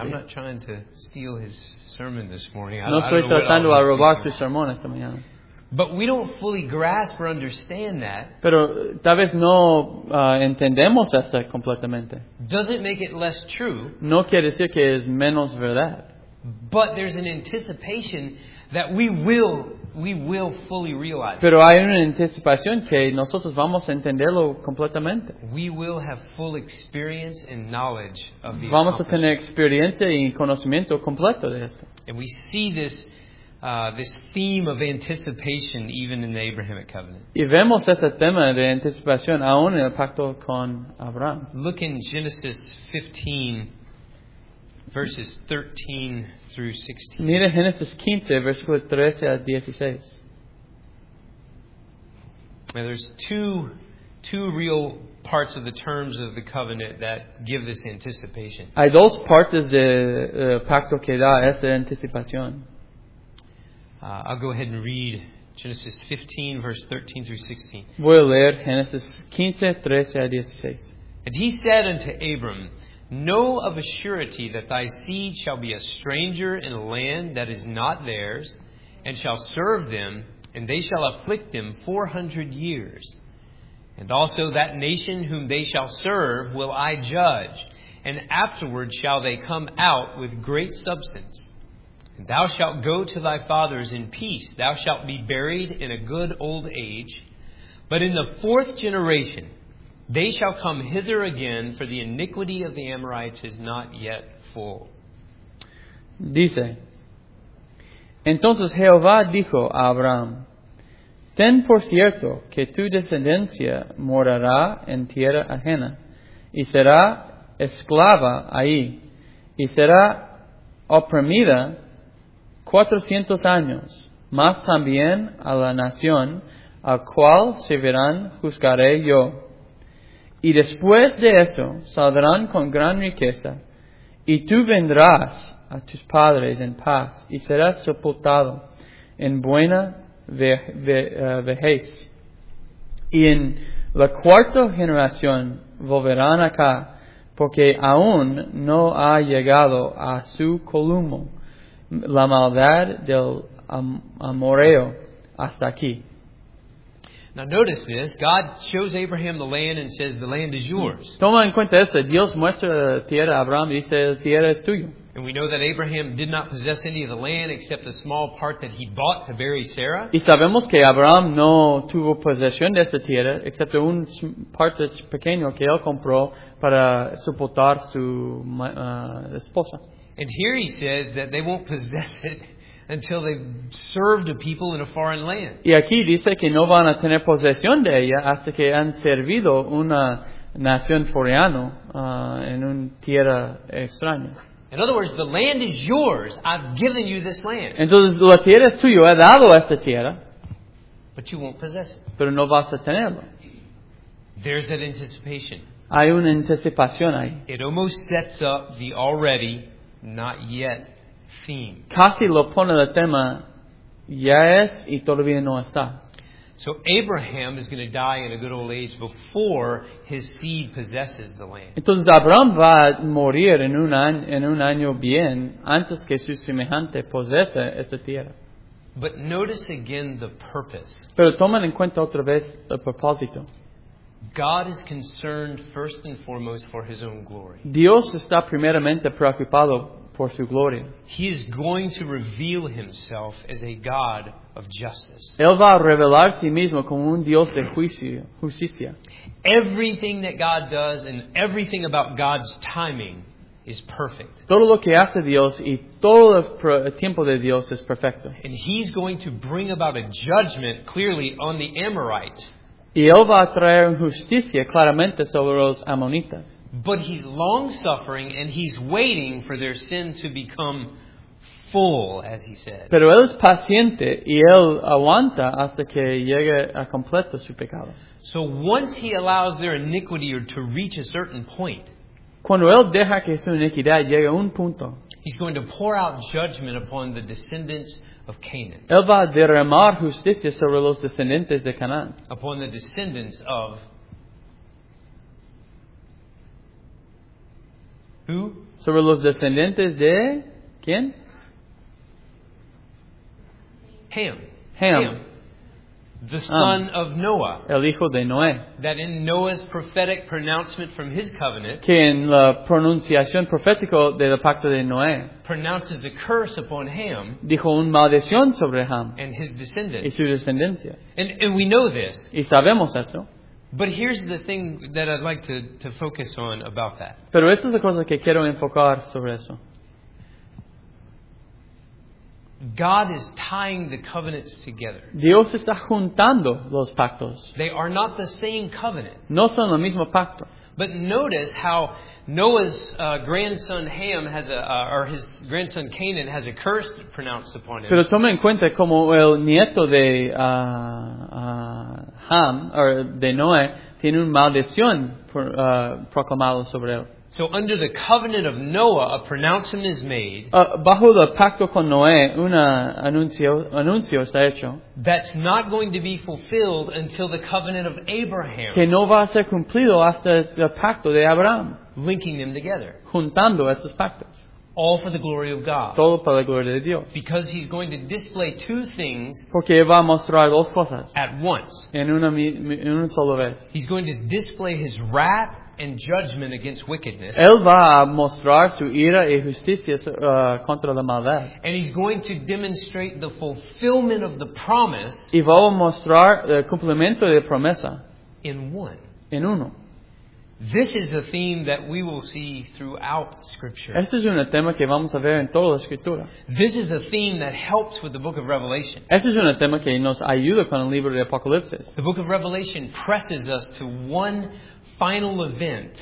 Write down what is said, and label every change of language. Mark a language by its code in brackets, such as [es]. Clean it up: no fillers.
[en] I'm not trying to steal his sermon this morning. [es] No estoy tratando de robar su sermón esta mañana. [en] But we don't fully grasp or understand that. [es] Pero tal vez no entendemos esto completamente. [en] Does it make it less true? [es] No quiere decir que es menos verdad. [en] But there's an anticipation that we will fully realize. [es] Pero hay una anticipación que nosotros vamos a entenderlo completamente. [en] We will have full experience and knowledge of the. [es] Vamos a tener experiencia y conocimiento completo de esto. [en] And we see this theme of anticipation even in the Abrahamic covenant. [es] Y vemos este tema de anticipación aún en el pacto con Abraham. [en] Look in Genesis 15. Verses 13 through 16. [es] Mira Génesis 15, versículo 13 a 16. [en] Now there's two real parts of the terms of the covenant that give this anticipation. [es] Hay dos partes de pacto que da esta anticipación. [en] I'll go ahead and read Genesis 15, verse 13 through [es] 16. Voy a leer Genesis 15, 13 a 16. [en] And he said unto Abram, Know of a surety that thy seed shall be a stranger in a land that is not theirs, and shall serve them, and they shall afflict them 400 years. And also that nation whom they shall serve will I judge, and afterward shall they come out with great substance. And thou shalt go to thy fathers in peace, thou shalt be buried in a good old age. But in the fourth generation they shall come hither again, for the iniquity of the Amorites is not yet full. [es] Dice, Entonces Jehová dijo a Abraham, Ten por cierto que tu descendencia morará en tierra ajena, y será esclava ahí, y será oprimida 400 años, más también a la nación a cual servirán juzgaré yo. Y después de eso saldrán con gran riqueza, y tú vendrás a tus padres en paz, y serás sepultado en buena vejez. Y en la cuarta generación volverán acá, porque aún no ha llegado a su colmo la maldad del amorreo hasta aquí. [en] Now notice this. God shows Abraham the land and says, the land is yours. [es] Toma en cuenta esto. Dios muestra la tierra a Abraham y dice, la tierra es tuya. [en] And we know that Abraham did not possess any of the land except a small part that he bought to bury Sarah. [es] Y sabemos que Abraham no tuvo posesión de esta tierra excepto un parte pequeño que él compró para sepultar su esposa. [en] And here he says that they won't possess it until they serve the people in a foreign land. [es] Y aquí dice que no van a tener posesión de ella hasta que han servido una nación foreano en una tierra extraña. [en] In other words, the land is yours. I've given you this land. [es] Entonces, la tierra es tuya. He dado esta tierra. [en] But you won't possess it. [es] Pero no vas a tenerlo. [en] There's that anticipation. [es] Hay una anticipación ahí. [en] It almost sets up the already, not yet theme. [es] Casi lo pone el tema, ya es y todavía no está. [en] So Abraham is going to die in a good old age before his seed possesses the land. [es] Entonces Abraham va a morir en un año bien antes que su semejante posese esta tierra. [en] But notice again the purpose. [es] Pero tomen en cuenta otra vez el propósito. [en] God is concerned first and foremost for his own glory. [es] Dios está primeramente preocupado por su gloria. [en] He is going to reveal himself as a God of justice. [es] Él va a revelar sí mismo como un Dios de justicia. [en] Everything that God does and everything about God's timing is perfect. [es] Todo lo que hace Dios y todo el tiempo de Dios es perfecto. [en] And he's going to bring about a judgment clearly on the Amorites. [es] Y él va a traer justicia claramente sobre los Amonitas. [en] But he's long-suffering and he's waiting for their sin to become full, as he says. [es] Pero él es paciente y él aguanta hasta que llegue a completo su pecado. [en] So once he allows their iniquity to reach a certain point, [es] cuando él deja que su iniquidad llegue a un punto, [en] he's going to pour out judgment upon the descendants of Canaan. [es] Él va a derramar justicia sobre los descendientes de Canaán. [en] Upon the descendants of who? [es] Sobre los descendientes de quién? [en] Ham. The son of Noah. [es] El hijo de Noé. [en] That in Noah's prophetic pronouncement from his covenant, [es] que en la pronunciación profética del pacto de Noé, [en] pronounces a curse upon Ham. [es] Dijo una maldición sobre Ham. [en] And his descendants. [es] Y su descendencia. [en] And we know this. [es] Y sabemos esto. [en] But here's the thing that I'd like to focus on about that. [es] Pero esta es la cosa que quiero enfocar sobre eso. [en] God is tying the covenants together. [es] Dios está juntando los pactos. [en] They are not the same covenant. [es] No son el mismo pacto. [en] But notice how Noah's grandson Ham has or his grandson Canaan has a curse pronounced upon him. [es] Pero tomen en cuenta como el nieto de Ham, or de Noé, tiene una maldición proclamada sobre él. [en] So under the covenant of Noah, a pronouncement is made. [es] Bajo el pacto con Noé, una anuncio está hecho. [en] That's not going to be fulfilled until the covenant of Abraham. [es] Que no va a ser cumplido hasta el pacto de Abraham. [en] Linking them together. [es] Juntando estos pactos. [en] All for the glory of God. [es] Todo para la gloria de Dios. [en] Because he's going to display two things. [es] Porque va a mostrar dos cosas. [en] At once. [es] En una sola vez. [en] He's going to display his wrath and judgment against wickedness. [es] Él va a mostrar su ira y justicia contra la maldad. [en] And he's going to demonstrate the fulfillment of the promise. [es] Y va a mostrar el cumplimiento de la promesa. [en] In one. [es] En uno. [en] This is a theme that we will see throughout Scripture. [es] Este es un tema que vamos a ver en toda la Escritura. [en] This is a theme that helps with the book of Revelation. [es] Este es un tema que nos ayuda con el libro de Apocalipsis. [en] The book of Revelation presses us to one final event.